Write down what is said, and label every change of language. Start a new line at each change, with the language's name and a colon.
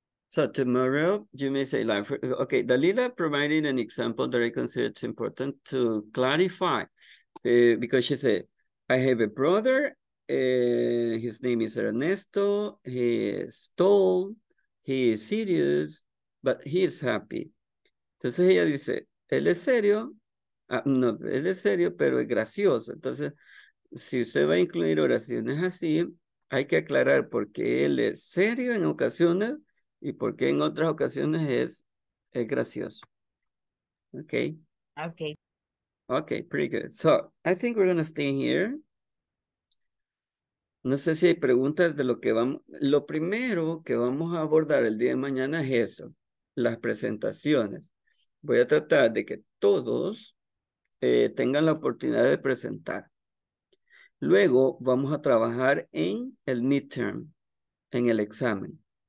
English: So tomorrow, you may say, like, okay, Dalila provided an example that I consider it's important to clarify because she said, I have a brother, his name is Ernesto, he is tall, he is serious, but he is happy.
Spanish: Entonces ella dice, él es serio, no, él es serio, pero es gracioso. Entonces, si usted va a incluir oraciones así, hay que aclarar por qué él es serio en ocasiones, y porque en otras ocasiones es gracioso. Okay? Okay.
English: Okay, pretty good. So, I think we're going to stay here.
Spanish: No sé si hay preguntas de lo que vamos... Lo primero que vamos a abordar el día de mañana es eso. Las presentaciones. Voy a tratar de que todos tengan la oportunidad de presentar. Luego vamos a trabajar en el midterm, en el examen.